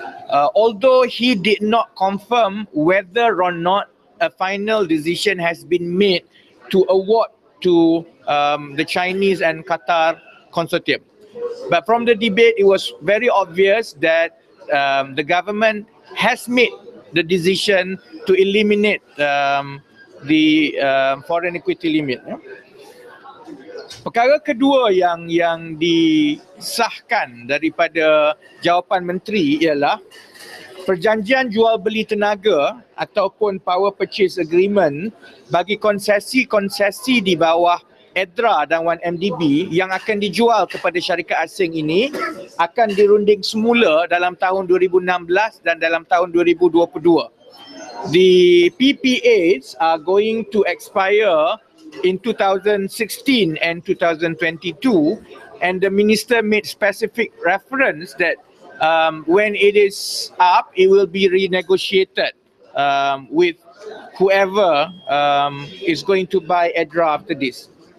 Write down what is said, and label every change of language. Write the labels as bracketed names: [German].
[English] Although he did not confirm whether or not a final decision has been made to award to the Chinese and Qatar consortium. But from the debate, it was very obvious that the government has made the decision to eliminate the foreign equity limit. [Malay] Perkara kedua yang disahkan daripada jawapan menteri ialah perjanjian jual beli tenaga ataupun power purchase agreement bagi konsesi-konsesi di bawah EDRA dan 1MDB yang akan dijual kepada syarikat asing ini akan dirunding semula dalam tahun 2016 dan dalam tahun 2022. [English] The PPAs are going to expire in 2016 and 2022, and the minister made specific reference that when it is up, it will be renegotiated with whoever is going to buy EDRA after this.